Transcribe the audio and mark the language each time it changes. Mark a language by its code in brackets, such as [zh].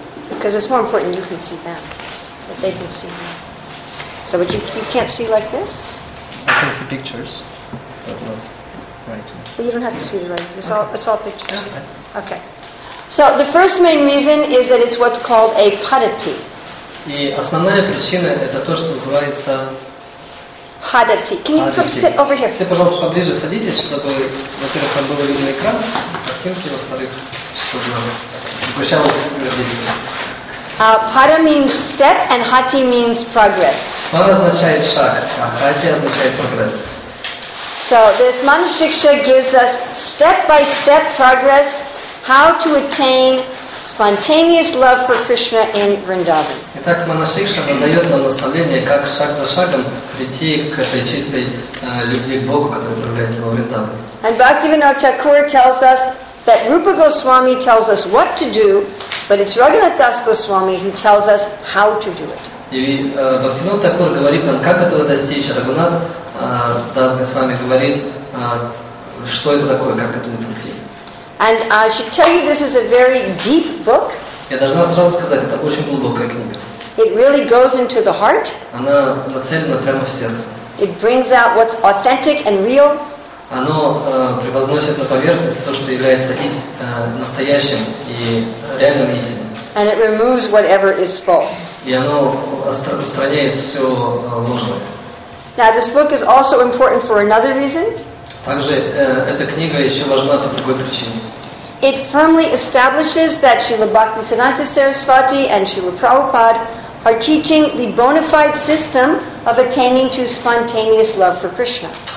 [en] Because it's more important you can see them. That they can see them. So but you can't see like this? I can see pictures. But not writing. Well, you don't have to see the writing. It's all pictures. Yeah. Okay. So the first main reason is that it's what's called a padati. [ru] И основная причина это то, что называется [en] padati. Can you come sit over here? [ru] Все, пожалуйста, поближе садитесь, чтобы, во-первых, там было видно экран, картинки, во-вторых, чтобы нас. [en] Pada means step and hati means progress. [ru] Pada означает шаг, а hati означает прогресс. [en] So this Manasiksha gives us step-by-step progress how to attain spontaneous love for Krishna in Vrindavan. [ru] Итак, Манасикша дает нам наставление, как шаг за шагом прийти к этой чистой любви к Богу, которая проявляется во Вриндаване. [en] And Bhaktivinoda Thakur tells us that Rupa Goswami tells us what to do, but it's Raghunath Das Goswami who tells us how to do it. [ru] Bhaktivinoda Thakur говорит нам, как этого достичь. Raghunath Das Goswami говорит, Что это такое, как к этому прийти? [en] And I should tell you, this is a very deep book. [ru] Я должна сразу сказать, это очень глубокая книга. [en] It really goes into the heart. [ru] Она нацелена прямо в сердце. [en] It brings out what's authentic and real. [ru] Оно превозносит на поверхность то, что является настоящим и реальным истинным. [en] And it removes whatever is false. [ru] И оно устраняет все ложное. [en] Now this book is also important for another reason. [ru] Также эта книга еще важна по другой причине. [en] It firmly establishes that Srila Bhaktisiddhanta Sarasvati and Srila Prabhupada are teaching the bona fide system of attaining to spontaneous love for Krishna.